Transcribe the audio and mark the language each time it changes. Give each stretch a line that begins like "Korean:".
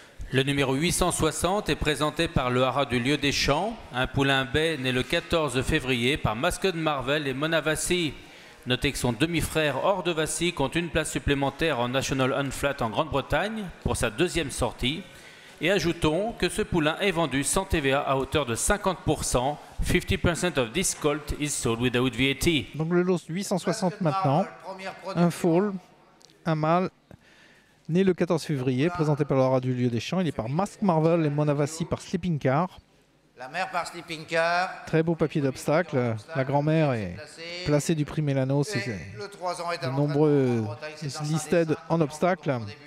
French: Le numéro 860 est présenté par le Haras du Lieu des Champs, un poulain bay né le 14 février par Masked Marvel et Mona Vassy. Notez que son demi-frère Hors de Vassy compte une place supplémentaire en National Unflat en Grande-Bretagne pour sa deuxième sortie. Et ajoutons que ce poulain est vendu sans TVA à hauteur de 50%.
English: 50% of this colt is sold without VAT.
French: Donc le lot 860 maintenant, un foal, un mâle. Né le 14 février, présenté par le Haras du Lieu des Champs, il est par Mask Marvel et Mona Vassy par Sleeping Car. La mère par Sleeping Car. Très beau papier d'obstacle. La grand-mère est placée du Prix Mélano. C'est le 3 ans est de nombreux listed en obstacle.